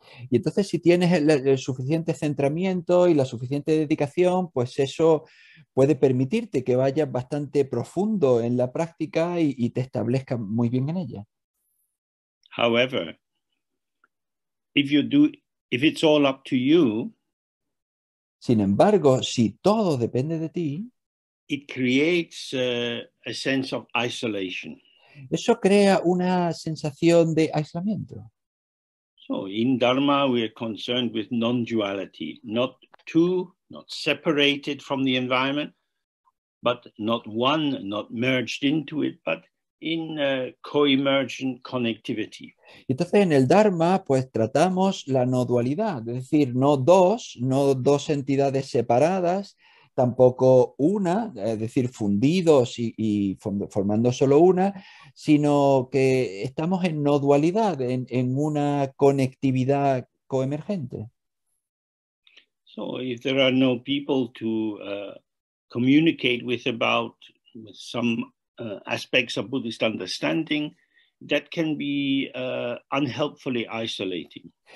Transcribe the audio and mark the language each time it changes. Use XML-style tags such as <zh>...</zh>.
<es>Y entonces si tienes el suficiente centramiento y la suficiente dedicación, pues eso puede permitirte que vayas bastante profundo en la práctica y te establezca muy bien en ella.</es> <en>However, if you do, if it's all up to you,</en> <es>Sin embargo, si todo depende de ti,</es> <en>it creates a sense of isolation.</en> <es>eso crea una sensación de aislamiento.</es> <en>So in Dharma, we are concerned with non-duality, not two, not separated from the environment, but not one, not merged into it, but in co-emergent connectivity.</en> <es>Entonces en el Dharma pues tratamos la no dualidad, es decir, no dos entidades separadas, tampoco una, es decir, fundidos y formando solo una, sino que estamos en no dualidad, en una conectividad coemergente.</es> <en>So, if there are no people to communicate with about with some aspects of Buddhist understanding, that can be unhelpfully isolating.</en>